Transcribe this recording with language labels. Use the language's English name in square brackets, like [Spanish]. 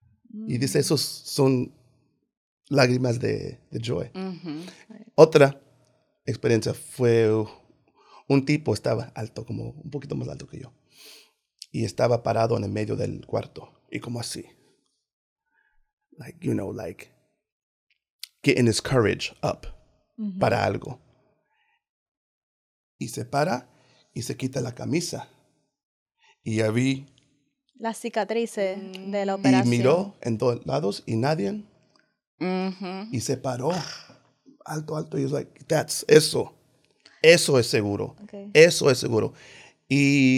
[Spanish] Mm-hmm. Y dice, esos son lágrimas de joy. Mm-hmm. Otra experiencia fue un tipo, estaba alto, como un poquito más alto que yo. Y estaba parado en el medio del cuarto. Y como así. [English] Like, you know, like, getting his courage up. [Spanish] Uh-huh. Para algo. Y se para y se quita la camisa. Y ya vi las cicatrices, mm, de la operación. Y miró en todos lados y nadie. Uh-huh. Y se paró alto, alto. Y es [English] like, that's [Spanish] eso. Eso es seguro. Okay. Eso es seguro. Y